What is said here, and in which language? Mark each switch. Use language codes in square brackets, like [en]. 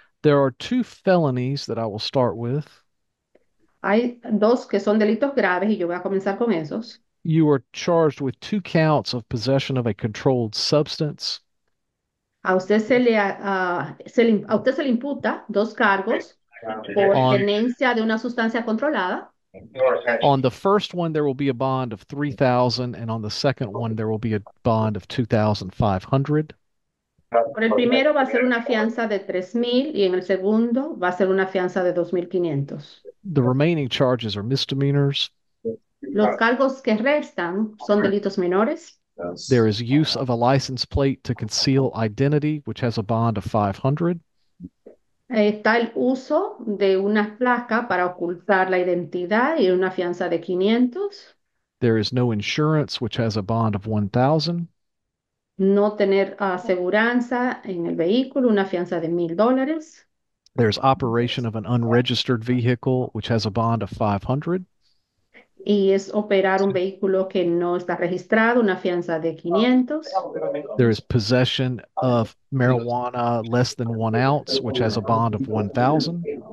[en] There are two felonies that I will start with. [es] Hay dos que son delitos graves y yo voy a comenzar con esos. [en] You are charged with two counts of possession of a controlled substance. [es] A usted se le imputa dos cargos por [en] On [es] tenencia de una sustancia controlada. [en] the first one, there will be a bond of 3,000, and on the second one, there will be a bond of 2,500. [es] Por el primero va a ser una fianza de 3.000 y en el segundo va a ser una fianza de 2.500. [en] The remaining charges are misdemeanors. [es] Los cargos que restan son delitos menores. [en] There is use of a license plate to conceal identity, which has a bond of 500. [es] Está el uso de una placa para ocultar la identidad y una fianza de 500. [en] There is no insurance, which has a bond of 1,000. [es] No tener aseguranza en el vehículo, una fianza de $1,000. [en] There's operation of an unregistered vehicle, which has a bond of 500. [es] Y es operar un vehículo que no está registrado, una fianza de 500. [en] There is possession of marijuana less than 1 ounce, which has a bond of 1,000.